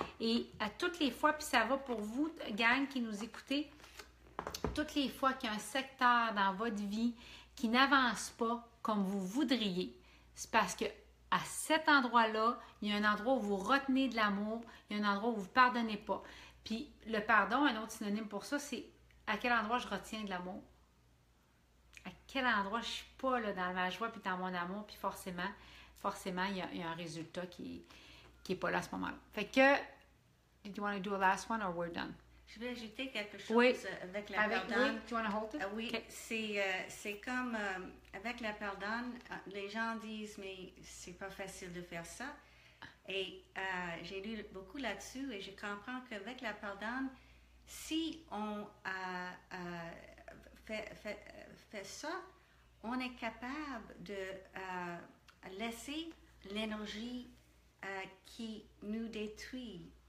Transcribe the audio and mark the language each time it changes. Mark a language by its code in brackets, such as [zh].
[fr] Et à toutes les fois, puis ça va pour vous, gang, qui nous écoutez, toutes les fois qu'il y a un secteur dans votre vie qui n'avance pas comme vous voudriez, c'est parce que à cet endroit-là, il y a un endroit où vous retenez de l'amour, il y a un endroit où vous ne pardonnez pas. Puis le pardon, un autre synonyme pour ça, c'est à quel endroit je retiens de l'amour. À quel endroit je ne suis pas là, dans ma joie et dans mon amour, puis forcément, il y a un résultat qui n'est pas là à ce moment-là. [en] Fait que, did you want to do a last one or we're done? [fr] Je vais ajouter quelque chose oui. Avec la pardonne. [en] Oui, do you want to hold it? [fr] Oui, okay. C'est comme avec la pardonne, les gens disent, mais c'est pas facile de faire ça. Et j'ai lu beaucoup là-dessus et je comprends qu'avec la pardonne, si on a fait ça, on est capable de laisser l'énergie qui nous détruit.